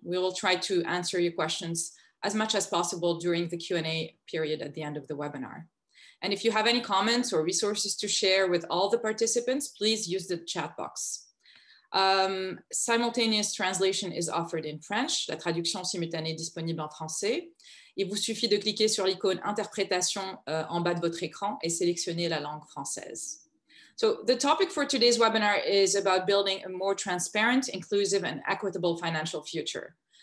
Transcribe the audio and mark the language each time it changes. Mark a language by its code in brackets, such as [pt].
[en] We will try to answer your questions as much as possible during the Q&A period at the end of the webinar. And if you have any comments or resources to share with all the participants, please use the chat box. Simultaneous translation is offered in French. [fr] La traduction simultanée est disponible en français. Il vous suffit de cliquer sur l'icône interprétation en bas de votre écran et sélectionner la langue française. [en] So the topic for today's webinar is about building a more transparent, inclusive, and equitable financial future.